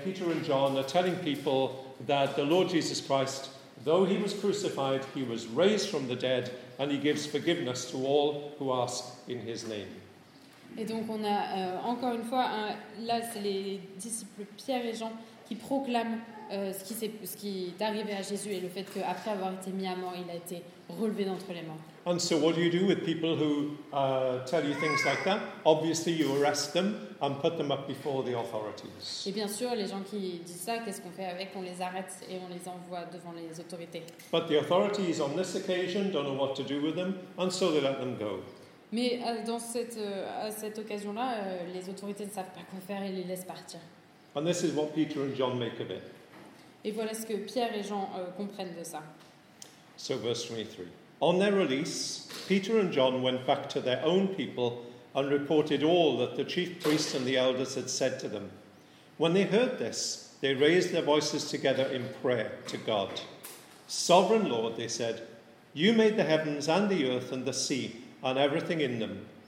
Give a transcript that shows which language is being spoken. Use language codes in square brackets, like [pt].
[en] Peter and John are telling people that the Lord Jesus Christ, though he was crucified, he was raised from the dead, and he gives forgiveness to all who ask in his name. [fr] Et donc on a encore une fois là, c'est les disciples Pierre et Jean qui proclament ce qui est arrivé à Jésus et le fait qu'après avoir été mis à mort, il a été relevé d'entre les morts. [en] And so what do you do with people who tell you things like that? Obviously you arrest them and put them up before the authorities. [fr] Et bien sûr, les gens qui disent ça, qu'est-ce qu'on fait avec? On les arrête et on les envoie devant les autorités. [en] But the authorities on this occasion don't know what to do with them, and so they let them go. [fr] Mais dans cette occasion-là, les autorités ne savent pas quoi faire et les laissent partir. [en] And this is what Peter and John make of it. [fr] Et voilà ce que Pierre et Jean comprennent de ça. [en] So verse 23. On their release, Peter and John went back to their own people and reported all that the chief priests and the elders had said to them. When they heard this, they raised their voices together in prayer to God. Sovereign Lord, they said, you made the heavens and the earth and the sea and everything in them.